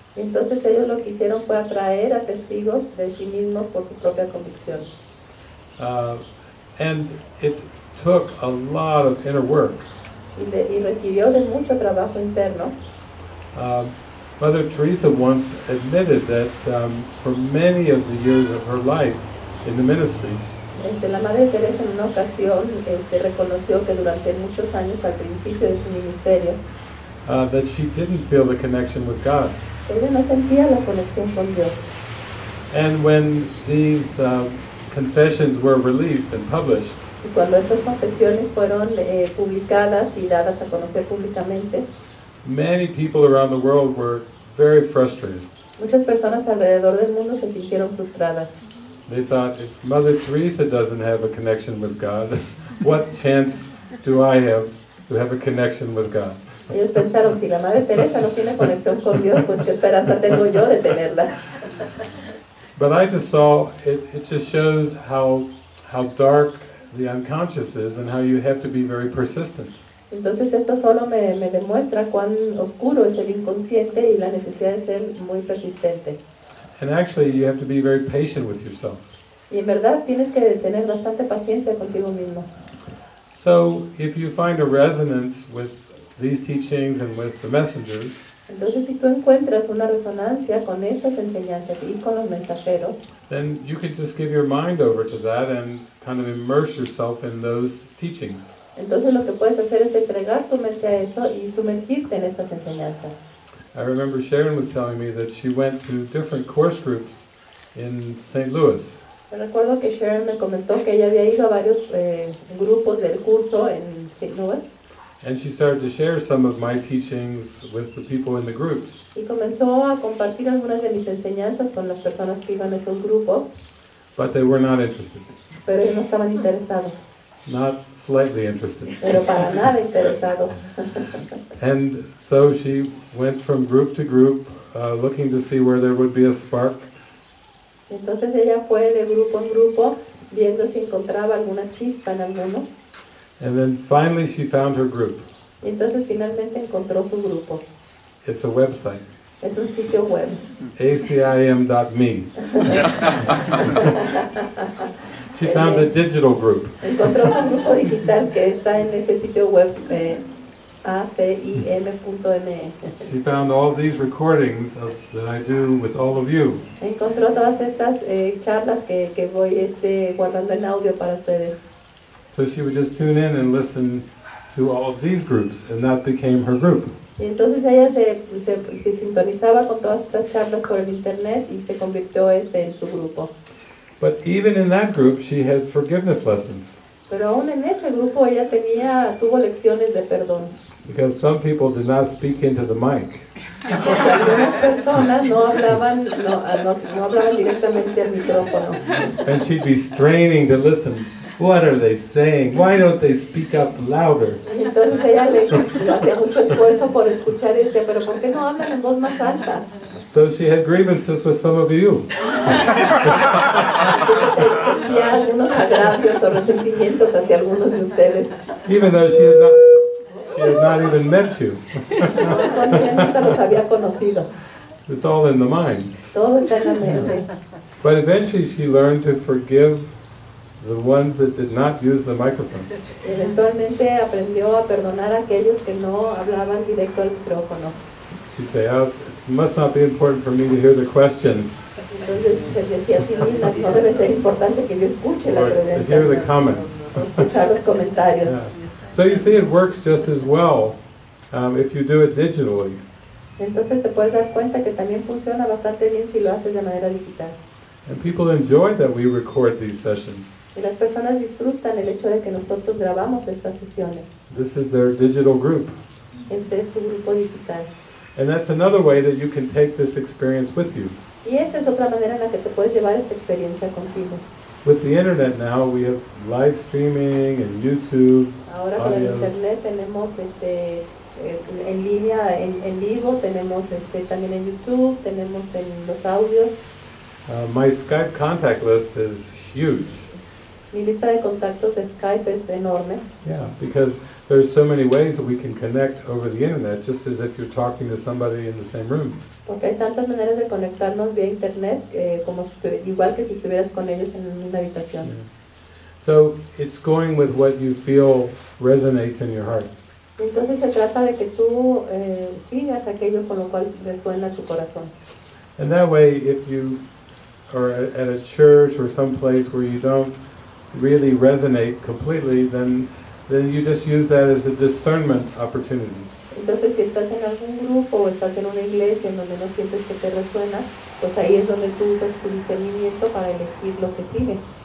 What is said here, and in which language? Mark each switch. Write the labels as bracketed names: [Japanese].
[Spanish] Entonces ellos lo que hicieron fue atraer a testigos de sí mismos por su propia convicción. [English] And it took a lot of inner work. [Spanish] Y requirió de mucho trabajo interno. [English] Mother Teresa once admitted that for many of the years of her life in the ministry, [Spanish] la Madre Teresa en una ocasión reconoció que durante muchos años al principio de su ministerio, [English] that she didn't feel the connection with God. [Spanish] Ella no sentía la conexión con Dios. [English] And when these confessions were released and published, [Spanish] y cuando estas confesiones fueron publicadas y dadas a conocer públicamente, [English] many people around the world were very frustrated. [Spanish] Muchas personas alrededor del mundo se sintieron frustradas. [English] They thought, if Mother Teresa doesn't have a connection with God, what chance do I have to have a connection with God? [Spanish] Ellos pensaron, si la Madre Teresa no tiene conexión con Dios, pues qué esperanza tengo yo de tenerla. [English] But I just saw, it just shows how dark the unconscious is and how you have to be very persistent. [Spanish] Entonces esto solo me demuestra cuán oscuro es el inconsciente y la necesidad de ser muy persistente. [English] And actually, you have to be very patient with yourself. [Spanish] Y en verdad, tienes que tener bastante paciencia contigo mismo. [English] So, if you find a resonance with these teachings and with the messengers, [Spanish] entonces, si tú encuentras una resonancia con estas enseñanzas y con los mensajeros, [English] then you can just give your mind over to that and kind of immerse yourself in those teachings. [Spanish] Entonces, lo que puedes hacer es entregar tu mente a eso y sumergirte en estas enseñanzas. [English] I remember Sharon was telling me that she went to different course groups in St. Louis. [Spanish] Me recuerdo que Sharon me comentó que ella había ido a varios grupos del curso en St. Louis. [English] And she started to share some of my teachings with the people in the groups. [Spanish] Y comenzó a compartir algunas de mis enseñanzas con las personas que iban a esos grupos. [English] But they were not interested. [Spanish] Pero ellos no estaban interesados. [English] Not slightly interested. [Spanish] Pero para nada interesados. [English] And so she went from group to group, looking to see where there would be a spark. [Spanish] Entonces ella fue de grupo en grupo, viendo si encontraba alguna chispa en alguno. [English] And then finally she found her group. [Spanish] Entonces finalmente encontró su grupo. [English] It's a website. [Spanish] Es un sitio web. [English] ACIM.me. She found a digital group. [Spanish] Encontró su grupo digital que está en ese sitio web, ACIM.me. [English] She found all these recordings of, that I do with all of you. [Spanish] Encontró todas estas charlas que voy guardando en audio para ustedes. [English] So she would just tune in and listen to all of these groups, and that became her group. [Spanish] Y entonces ella se sintonizaba con todas estas charlas por el internet y se convirtió en su grupo. [English] But even in that group, she had forgiveness lessons. [Spanish] Pero aún en ese grupo ella tuvo lecciones de perdón. [English] Because some people did not speak into the mic. [Spanish] Porque algunas personas no hablaban directamente al micrófono. [English] And she'd be straining to listen. What are they saying? Why don't they speak up louder? [Spanish] Entonces ella le hacía mucho esfuerzo por escuchar y decía, pero ¿por qué no hablan en voz más alta? [English] So she had grievances with some of you. [Spanish] Tenía algunos agravios o resentimientos hacia algunos de ustedes. [English] Even though she had not even met you. [Spanish] Nunca los había conocido. [English] It's all in the mind. [Spanish] Todo está en la mente. [English] But eventually she learned to forgive the ones that did not use the microphones. [Spanish] Eventualmente aprendió a perdonar a aquellos que no hablaban directo al micrófono. [English] She'd say, oh, it must not be important for me to hear the question. [Spanish] Entonces se decía a sí misma, no debe ser importante que yo escuche la pregunta. [English] Or hear the comments. [Spanish] Escuchar los comentarios. [English] So you see, it works just as well if you do it digitally. [Spanish] Entonces te puedes dar cuenta que también funciona bastante bien si lo haces de manera digital. [English] And people enjoy that we record these sessions. [Spanish] Y las personas disfrutan el hecho de que nosotros grabamos estas sesiones. [English] This is their digital group. [Spanish] Este es su grupo digital. [English] And that's another way that you can take this experience with you. [Spanish] Y esa es otra manera en la que te puedes llevar esta experiencia contigo. [English] With the internet now, we have live streaming and YouTube. [Spanish] Ahora con audios. El internet tenemos en línea, en vivo, tenemos también en YouTube, tenemos en los audios. [English] My Skype contact list is huge. [Spanish] Mi lista de contactos de Skype es enorme. [English] Yeah, because there's so many ways that we can connect over the internet, just as if you're talking to somebody in the same room. [Spanish] Porque hay tantas maneras de conectarnos vía internet como igual que si estuvieras con ellos en una misma habitación. [English] So it's going with what you feel resonates in your heart. [Spanish] Entonces se trata de que tú sigas aquello con lo cual resuena tu corazón. [English] And that way, if you or at a church or some place where you don't really resonate completely, then you just use that as a discernment opportunity. [Spanish] Entonces, si estás en algún grupo o estás en una iglesia en donde no sientes que te resuena, pues ahí es donde tú usas tu discernimiento para elegir lo que sigue.